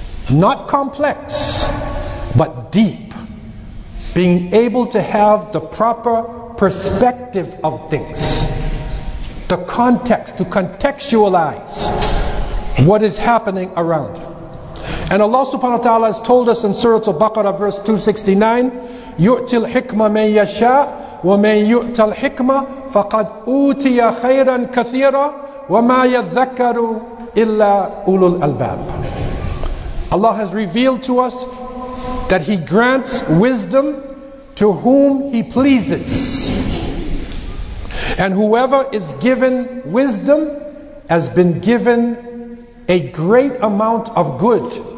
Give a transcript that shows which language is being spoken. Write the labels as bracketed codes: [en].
[en] Not complex, but deep. Being able to have the proper perspective of things. The context, to contextualize what is happening around. [ar] And Allah subhanahu wa ta'ala has told us in Surah Al-Baqarah verse 269, يُؤْتِ الْحِكْمَةَ مَنْ يَشَاءُ وَمَنْ يُؤْتَ الْحِكْمَةَ فَقَدْ أُوْتِيَ خَيْرًا كَثِيرًا وَمَا يَذَّكَّرُ إِلَّا أُولُو الْأَلْبَابِ. [en] Allah has revealed to us that He grants wisdom to whom He pleases. And whoever is given wisdom has been given a great amount of good.